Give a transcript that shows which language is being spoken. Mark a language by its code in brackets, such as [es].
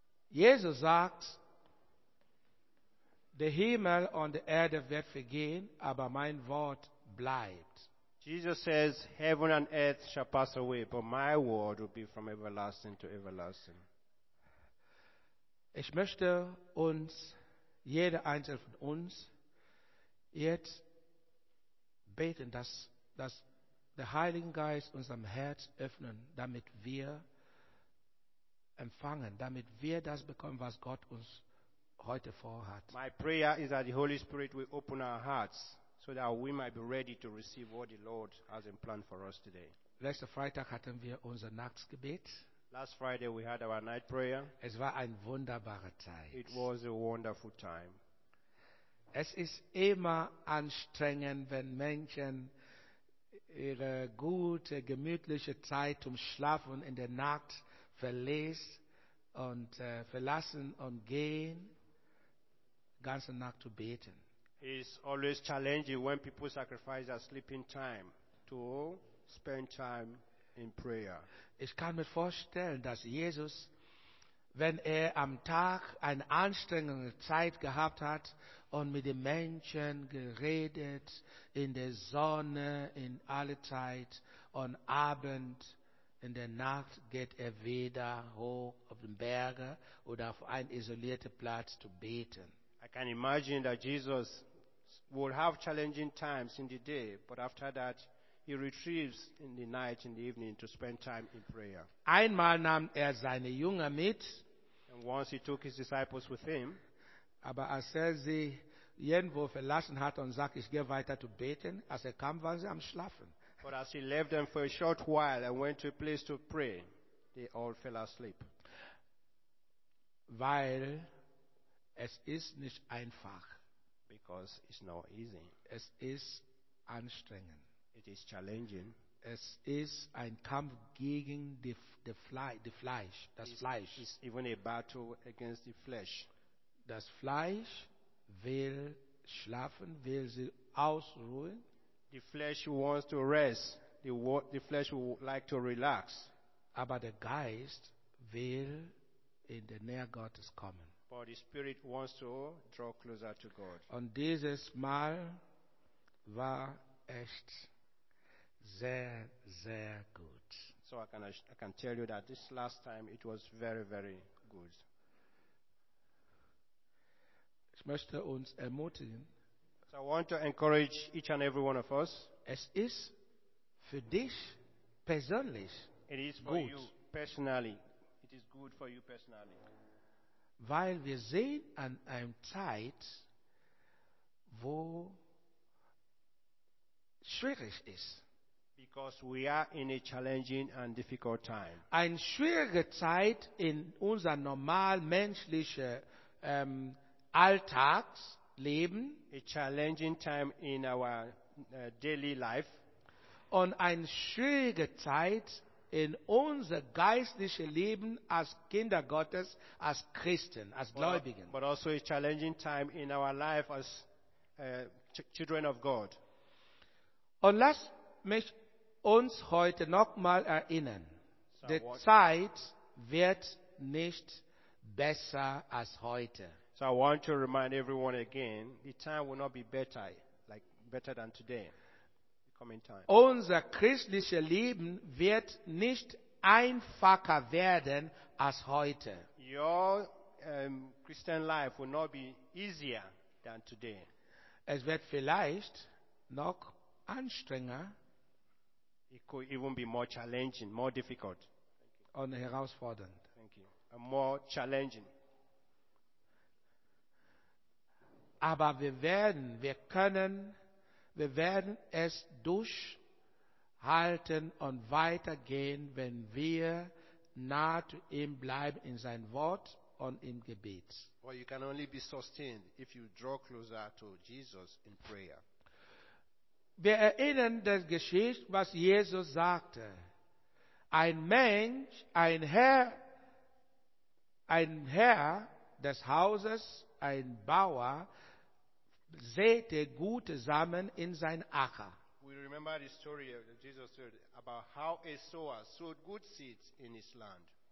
[de] Jesus sagt, der Himmel und die Erde wird vergehen, aber mein Wort bleibt. [en] Jesus says, heaven and earth shall pass away, but my word will be from everlasting to everlasting. [de] Ich möchte uns, jeder einzelne von uns, jetzt beten, dass der Heilige Geist unserem Herz öffnen, damit wir empfangen, damit wir das bekommen, was Gott uns heute vorhat. [en] My prayer is that the Holy Spirit will open our hearts, so that we might be ready to receive what the Lord has in plan for us today. [de] Letzten Freitag hatten wir unser Nachtgebet. [en] Last Friday we had our night prayer. [de] Es war eine wunderbare Zeit. [en] It was a wonderful time. [de] Es ist immer anstrengend, wenn Menschen ihre gute, gemütliche Zeit zum Schlafen in der Nacht verlassen und gehen, ganze Nacht zu beten. [en] It's always challenging when people sacrifice their sleeping time to spend time in prayer. [de] Ich kann mir vorstellen, dass Jesus, wenn er am Tag eine anstrengende Zeit gehabt hat und mit den Menschen geredet, in der Sonne, in alle Zeit, und Abend, in der Nacht, geht er wieder hoch auf den Berge oder auf einen isolierten Platz zu beten. [en] I can imagine that Jesus will have challenging times in the day, but after that, he retrieves in the night, in the evening, to spend time in prayer. [de] Einmal nahm er seine Jünger mit. [en] And once he took his disciples with him. [de] Aber als er sie irgendwo verlassen hat und sagt, ich gehe weiter zu beten, als er kam, waren sie am Schlafen. [en] But as he left them for a short while and went to a place to pray, they all fell asleep. [de] Weil es ist nicht einfach. [en] Because it's not easy. [de] Es ist anstrengend. [en] It is challenging. [de] Es ist ein Kampf gegen das Fleisch. Fleisch. [en] It's even a battle against the flesh. [de] Das Fleisch will schlafen, will sich ausruhen. [en] The flesh wants to rest. The flesh would like to relax. [de] Aber der Geist will in der Nähe Gottes kommen. [en] But the Spirit wants to draw closer to God. [de] Und dieses Mal war echt sehr, sehr gut. [en] So I can tell you that this last time it was very, very good. [de] Ich möchte uns ermutigen. [en] So I want to encourage each and every one of us. [de] Es ist für dich persönlich. [en] It is [de] gut. [en] For you personally. It is good for you personally. [de] Weil wir sehen an einer Zeit, wo schwierig ist. [en] Because we are in a challenging and difficult time. [de] Eine schwierige Zeit in unser normal menschlichen Alltagsleben. [en] A challenging time in our daily life. [de] Und eine schwierige Zeit in unser geistliches Leben als Kinder Gottes, als Christen, als Gläubigen. [en] But also a challenging time in our life as children of God. [de] Und lass mich uns heute nochmal erinnern, so die Zeit wird nicht besser als heute. [en] So I want to remind everyone again, the time will not be better, like better than today. [de] Unser christliches Leben wird nicht einfacher werden als heute. [en] Your Christian life will not be easier than today. [de] Es wird vielleicht noch anstrengender. [en] It could even be more challenging, more difficult. [de] Und herausfordernd. [en] Thank you. And more challenging. [de] Aber wir werden es durch halten und weitergehen, wenn wir nah zu ihm bleiben in sein Wort und im Gebet. [en] Well, you can only be sustained if you draw closer to Jesus in prayer. [de] Wir erinnern das Geschichte, was Jesus sagte. Ein Mensch, ein Herr des Hauses, ein Bauer, säte gute Samen in sein Acker. [en] We remember the story that Jesus told about how a sower sowed good seeds in his land.